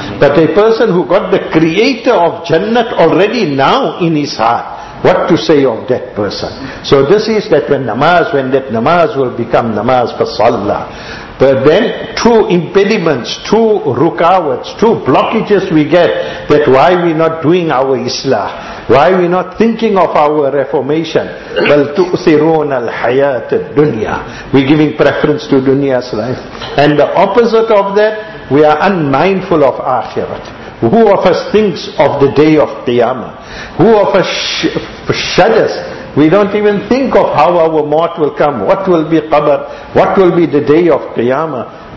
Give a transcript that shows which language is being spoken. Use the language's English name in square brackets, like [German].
[English] That a person who got the creator of Jannat already now in his heart, what to say of that person? So this is that when that namaz will become namaz for Salah. But then two impediments, two rukawats, two blockages we get, that why we not doing our islah, why we not thinking of our reformation. Well, [Arabic] تُؤْثِرُونَ الْحَيَاةِ الدُّنْيَا. [English] We're giving preference to dunya's life. And the opposite of that, we are unmindful of akhirat. Who of us thinks of the day of qiyamah? Who of us shudders? We don't even think of how our mort will come, what will be qabr, what will be the day of qiyamah.